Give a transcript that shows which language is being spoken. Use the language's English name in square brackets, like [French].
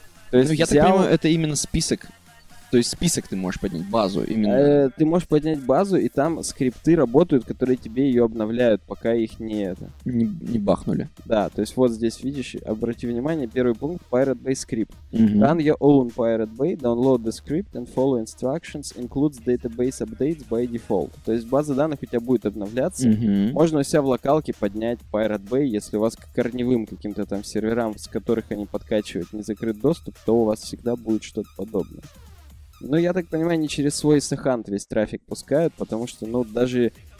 [Russian] То есть, ну, я так понимаю, это именно список. То есть список ты можешь поднять, базу именно. Ты можешь поднять базу, и там скрипты работают, которые тебе ее обновляют, пока их не это... Не бахнули. Да, то есть вот здесь видишь, обрати внимание, первый пункт Pirate Bay Script. Mm-hmm. [English] Run your own Pirate Bay, download the script and follow instructions, includes database updates by default. [Russian] То есть база данных у тебя будет обновляться. Mm-hmm. Можно у себя в локалке поднять Pirate Bay, если у вас к корневым каким-то там серверам, с которых они подкачивают, не закрыт доступ, то у вас всегда будет что-то подобное. Ну, я так понимаю, не через свой Сахант весь трафик пускают, потому что, ну, даже...